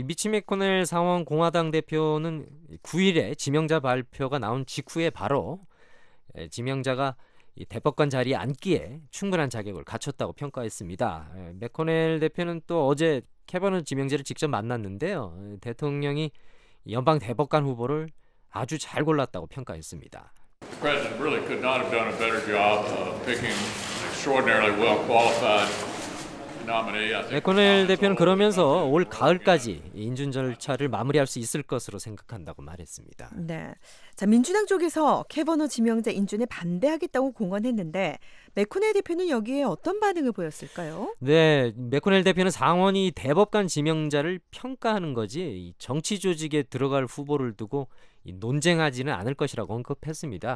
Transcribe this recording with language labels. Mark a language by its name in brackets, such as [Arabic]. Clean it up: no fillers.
[Korean] 미치 맥코넬 상원 공화당 대표는 9일에 지명자 발표가 나온 직후에 바로 지명자가 대법관 자리에 앉기에 충분한 자격을 갖췄다고 평가했습니다. 맥코넬 대표는 또 어제 캐버너 지명자를 직접 만났는데요. 대통령이 연방 대법관 후보를 아주 잘 골랐다고 평가했습니다. [English] The president really could not have done a better job of picking extraordinarily well qualified nominee. [Korean] 맥코넬 대표는 그러면서 올 가을까지 인준 절차를 마무리할 수 있을 것으로 생각한다고 말했습니다. 네. 자, 민주당 쪽에서 캐버너 지명자 인준에 반대하겠다고 공언했는데 맥코넬 대표는 여기에 어떤 반응을 보였을까요? 네, 맥코넬 대표는 상원이 대법관 지명자를 평가하는 거지 정치 조직에 들어갈 후보를 두고 논쟁하지는 않을 것이라고 언급했습니다.